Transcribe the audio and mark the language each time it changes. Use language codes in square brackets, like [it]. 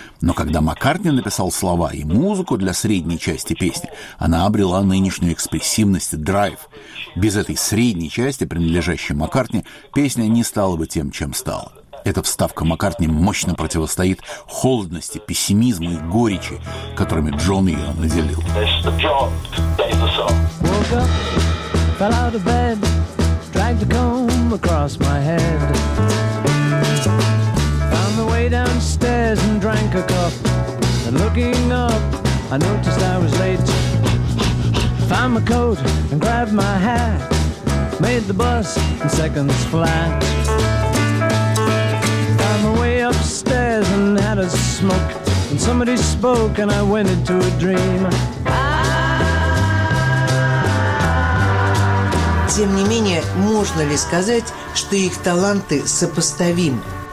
[ru] Но когда Маккартни написал слова и музыку для средней части песни, она обрела нынешнюю экспрессивность и драйв. Без этой средней части, принадлежащей Маккартни, песня не стала бы тем, чем стала. Эта вставка Маккартни мощно противостоит холодности, пессимизму и горечи, которыми Джон ее наделил. Это Джон Дэвисон. [en] Woke up, fell out of bed, dragged a comb across my head. Found my way downstairs and drank a cup. And looking up, I noticed I was late. Found my coat and grabbed my hat. Made the bus in seconds flat. Found my way upstairs and had a smoke. And somebody spoke and I went into a dream. [ru] Тем не менее, можно ли сказать, что их таланты сопоставимы?